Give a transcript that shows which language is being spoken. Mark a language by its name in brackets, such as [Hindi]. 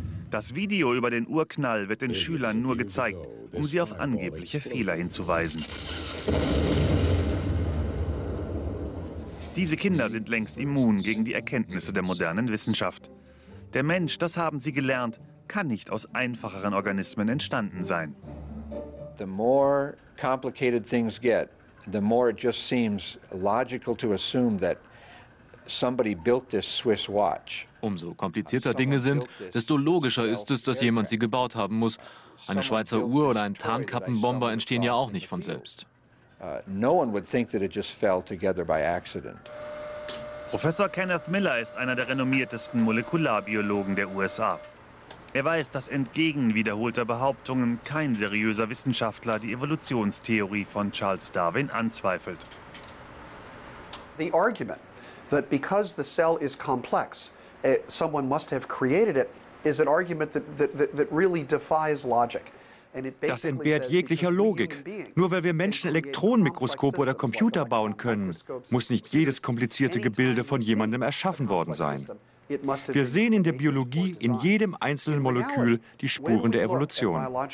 [German] Das Video über den Urknall wird den Schülern nur gezeigt, um sie auf angebliche Fehler hinzuweisen. Diese Kinder sind längst immun gegen die Erkenntnisse der modernen Wissenschaft. Der Mensch, das haben sie gelernt, kann nicht aus einfacheren Organismen entstanden sein. [English] The more complicated things get, the more it just seems logical to assume that somebody built this Swiss watch. [German] Umso komplizierter Dinge sind, desto logischer ist es, dass jemand sie gebaut haben muss. Eine Schweizer Uhr oder ein Tarnkappenbomber entstehen ja auch nicht von selbst. [English] No one would think that it just fell together by accident. [German] Professor Kenneth Miller ist einer der renommiertesten Molekularbiologen der USA. Er weiß, dass entgegen wiederholter Behauptungen kein seriöser Wissenschaftler die Evolutionstheorie von Charles Darwin anzweifelt. [English] The argument that because the cell is complex, someone must have created it, is an argument that really defies logic. [German] Das entbehrt jeglicher Logik. Nur weil wir Menschen Elektronenmikroskope oder Computer bauen können, muss nicht jedes komplizierte Gebilde von jemandem erschaffen worden sein. Wir sehen in der Biologie in jedem einzelnen Molekül die Spuren der Evolution.